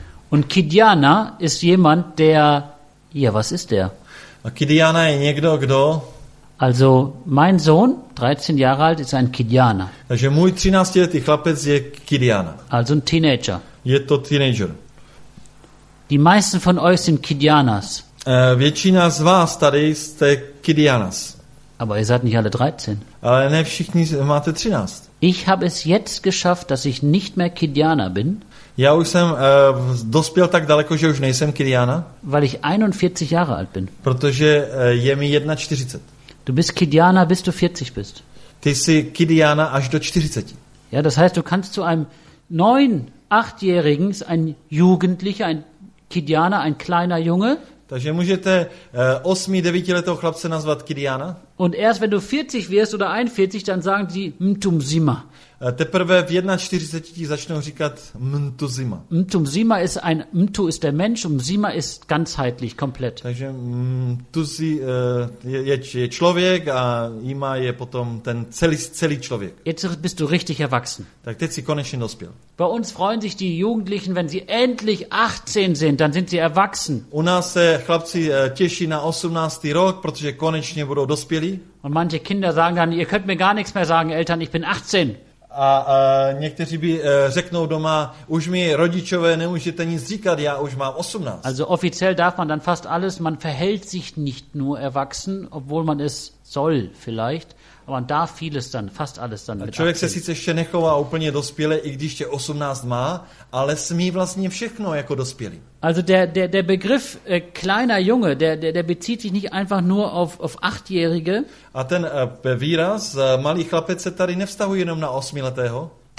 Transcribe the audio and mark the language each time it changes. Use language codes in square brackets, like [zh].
[de] Und Kidiana ist jemand, der, ja, was ist der? [cs] A Kidiana je někdo, kdo... [de] Also, mein Sohn, 13 Jahre alt, ist ein Kidiana. [cs] Takže můj 13-letý chlapec je Kidiana. [de] Also ein Teenager. [cs] Je to teenager. [de] Die meisten von euch sind Kidianas. [cs] Většina z vás tady jste Kidianas. [de] Aber ihr seid nicht alle 13. [cs] Ale ne všichni máte 13. [de] Ich habe es jetzt geschafft, dass ich nicht mehr Kidjana bin. [cs] Já už jsem dospěl tak daleko, že už nejsem Kidjana. [de] Weil ich 41 Jahre alt bin. [cs] Protože je mi 41. [de] Du bist Kidjana, bis du 40 bist. [cs] Ty jsi Kidjana až do 40. [de] Ja, das heißt, du kannst zu einem 9-8-jährigen, ein Jugendlicher, ein Kidjana, ein kleiner Junge. [cs] Takže můžete 8-9letého chlapce nazvat Kidjana. [de] Und erst wenn du 40 wirst oder 41, dann sagen die Mtumzima. [cs] Teprve v 41 začnou říkat Mtumzima. [de] Mtumzima ist ein Mtu ist der Mensch und Zima ist ganzheitlich komplett. [cs] Takže Mtusi je člověk a Ima je potom ten celý člověk. [de] Jetzt bist du richtig erwachsen. [cs] Tak teď jsi konečně dospěl. [de] Bei uns freuen sich die Jugendlichen, wenn sie endlich 18 sind, dann sind sie erwachsen. [cs] U nás se chlapci těší na 18. rok, protože konečně budou dospělí. [de] Und manche Kinder sagen dann, ihr könnt mir gar nichts mehr sagen, Eltern, ich bin 18. [cs] A někteří by řeknou doma, už mi rodičové nemůžete nic říkat, já už mám 18. [de] Also offiziell darf man dann fast alles, man verhält sich nicht nur erwachsen, obwohl man es soll vielleicht, aber man darf vieles dann, fast alles dann. [cs] Člověk se sice ještě nechová úplně dospěle, i když tě 18 má, ale smí vlastně všechno jako dospělý. [de] Also der Begriff kleiner Junge, der bezieht sich nicht einfach nur auf 8-jährige. [cs] A ten výraz malý chlapec se tady nevztahuje jenom na 8-letého.